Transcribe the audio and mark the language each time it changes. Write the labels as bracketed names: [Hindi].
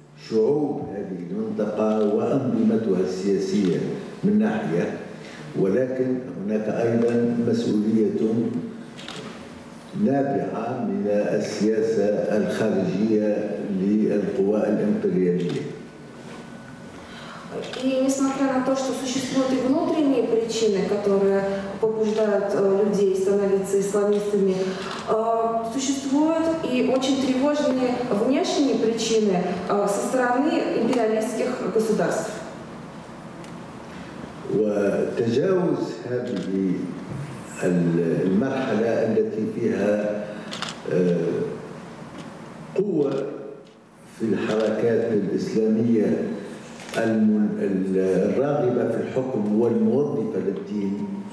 [Arabic] شعوب هذه المنطقة وأنظمتها السياسية من ناحية ولكن هناك أيضا مسؤولية نابعة من السياسة الخارجية للقوى الإمبريالية. [Russian] И несмотря на то, что существуют и внутренние причины, которые побуждают людей становиться исламистами, существуют и очень тревожные внешние причины со стороны империалистских государств. [Arabic] وتجاوز هذه المرحلة التي فيها قوة في الحركات الإسلامية الراغبة في الحكم والموظفة للدين